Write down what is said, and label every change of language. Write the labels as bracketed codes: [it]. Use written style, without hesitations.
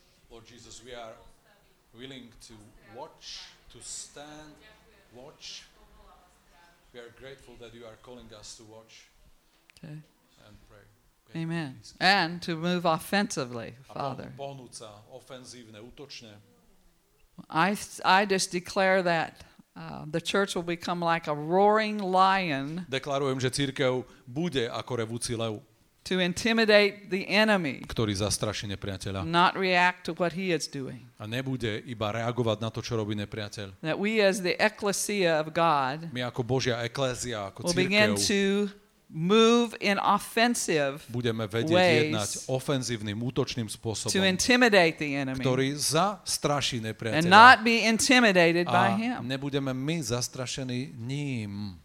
[en] Lord Jesus, we are willing to watch, to stand, watch. We are grateful that you are calling us to watch okay. And pray. Okay. Amen. And to move offensively, Father. [sk] A pohnúť sa ofenzívne, útočne. [en] I just declare that the church will become like a roaring lion. [sk] Deklarujem, že cirkev bude ako revúci lev. [en] To intimidate the enemy. [sk] Ktorý zastraší nepriateľa. [en] Not react to what he is doing. [sk] A nebude iba reagovať na to, čo robí nepriateľ. [en] That we as the ecclesia of God. [sk] My ako Božia eklézia, ako cirkev. [en] Will begin to move in offensive ways. [sk] Budeme vedieť jednať ofenzívnym, útočným spôsobom. [en] To intimidate the enemy. [sk] Ktorý zastraší nepriateľa. [en] And not be intimidated by him. [sk] A nebudeme my zastrašení ním.